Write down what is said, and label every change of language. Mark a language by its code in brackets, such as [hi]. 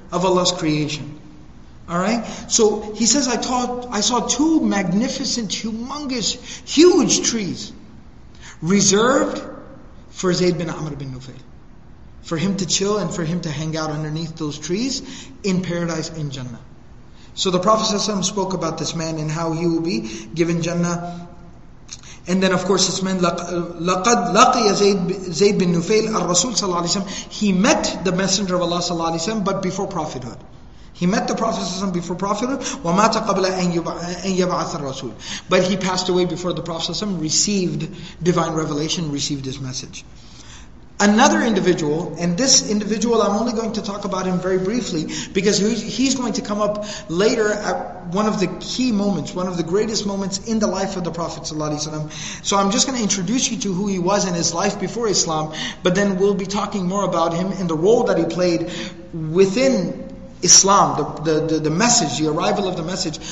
[en] of Allah's creation. All right. So he says, I saw two magnificent, humongous, huge trees reserved for Zayd bin Amr bin Nufayl, for him to chill and for him to hang out underneath those trees in paradise in Jannah. So the Prophet ﷺ spoke about this man and how he will be given Jannah. And then of course this man, [ar] لَقَدْ لَقِيَ زَيْد بِن نُفَيْل الرَّسُولِ صَلَّى اللَّهُ عَلَيْهِ وَسَلَّمَ. [en] He met the Messenger of Allah صلى الله عليه وسلم, but before prophethood. He met the Prophet ﷺ before prophethood. [ar] وَمَاتَ قَبْلَ أَنْ يَبْعَثَ الرَّسُولِ. [en] But he passed away before the Prophet ﷺ received divine revelation, received his message. Another individual, and this individual I'm only going to talk about him very briefly, because he's going to come up later at one of the key moments, one of the greatest moments in the life of the Prophet ﷺ. So I'm just going to introduce you to who he was in his life before Islam, but then we'll be talking more about him and the role that he played within Islam, the message, the arrival of the message.